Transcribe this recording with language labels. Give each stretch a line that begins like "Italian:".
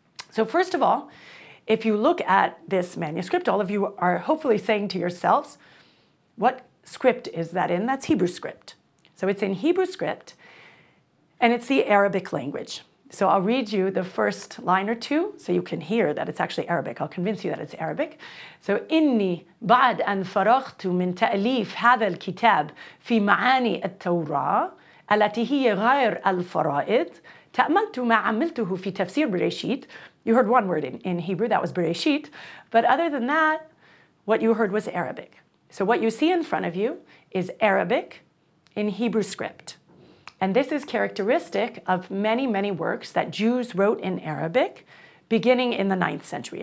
English: So first of all, if you look at this manuscript, all of you are hopefully saying to yourselves, what script is that in? That's Hebrew script. So it's in Hebrew script, and it's the Arabic language. So I'll read you the first line or two, so you can hear that it's actually Arabic. I'll convince you that it's Arabic.
Arabic: So, إني بعد أن فرغت من تأليف هذا الكتاب في معاني التوراة التي هي غير الفرائض تأملت ما عملته في تفسير برشيد.
English: You heard one word in Hebrew, that was Bereshit. But other than that, what you heard was Arabic. So what you see in front of you is Arabic in Hebrew script. And this is characteristic of many, many works that Jews wrote in Arabic beginning in the 9th century.